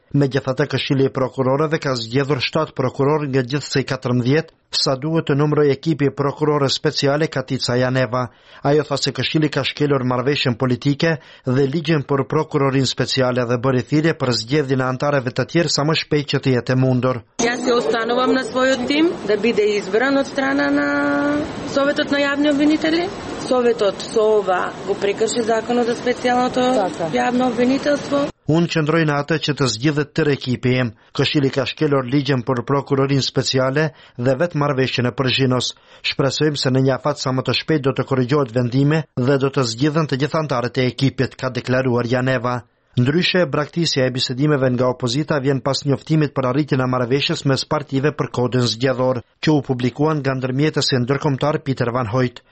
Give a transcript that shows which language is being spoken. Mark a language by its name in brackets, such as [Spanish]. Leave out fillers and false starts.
[Albanian] Megjithatë, Këshilli i Prokurorëve ka zgjedhur 7 prokuror nga gjithsej 14, sa duhet të numëroj ekipi prokurore speciale Katica Janeva. Ajo tha se Këshilli ka shkelur marrëveshjen politike dhe ligjin për prokurorin speciale dhe bëri thirrje për zgjedhjen e anëtarëve të tjerë sa më shpejt që të jetë mundur. [Macedonian] Останувам на својот тим да биде избран од страна на Советот на јавни обвинители. Советот со ова го прекрши законот за специјалното јавно обвинителство. [Albanian] Unë qëndroj në atë që të zgjidhet tër ekipi im. Këshilli ka shkelur ligjen për prokurorin speciale dhe vetë marrëveshjen e përgjinos. Shpresojmë se në një afat sa më të shpejt do të korrigjohet vendimi dhe do të zgjidhen të gjithë anëtarët e ekipit, ka deklaruar Janeva. Ndryshe, braktisja e bisedimeve nga opozita vjen pas njoftimit për arritjen e marrëveshjes mes partive për kodin zgjedhor, që u publikuan nga ndërmjetësi ndërkombëtar Peter Van Hoyt.